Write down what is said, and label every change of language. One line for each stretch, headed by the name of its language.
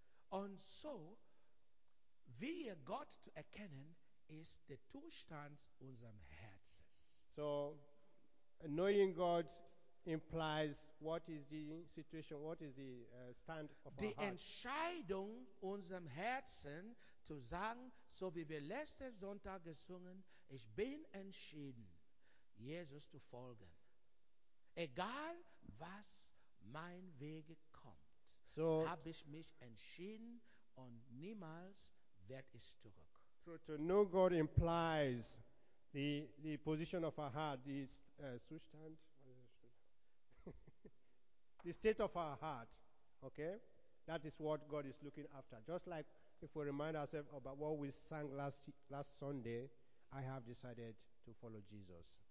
German: Und so, wie Gott zu erkennen, ist der Zustand unserem Herzens.
English: So, knowing God implies what is the situation, what is the stand of
German: die
English: our heart.
German: Die Entscheidung unserem Herzen zu sagen, so wie wir letzten Sonntag gesungen, ich bin entschieden, Jesus zu folgen. Egal, was mein Weg kommt, so habe ich mich entschieden und niemals werde ich zurück.
English: So to know God implies the position of our heart, Zustand, the state of our heart, okay? That is what God is looking after. Just like if we remind ourselves about what we sang last Sunday, I have decided to follow Jesus.